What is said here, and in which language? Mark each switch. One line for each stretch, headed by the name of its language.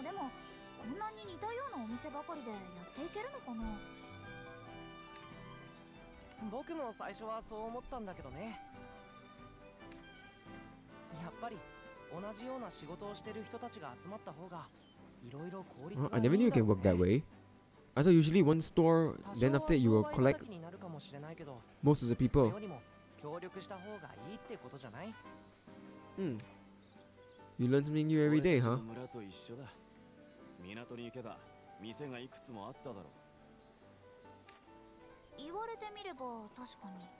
Japanese: あ、でもこんなに似たようなお店ばかりでやっていけるのかな。僕も最初はそう思ったんだけどね。やっぱり同じような仕事をしてる人たちが集まった方がいろいろ効率がいいんだ
English: ね。I never knew you can work that way. I thought usually one store, then after you will collect most of the people.
Japanese: それよりも協力した方がいいってことじゃない？
English: うん。You learn something new every day, huh?
Japanese: 村と一緒だ。港に行けば店がいくつもあっただろう。言われてみれば確かに。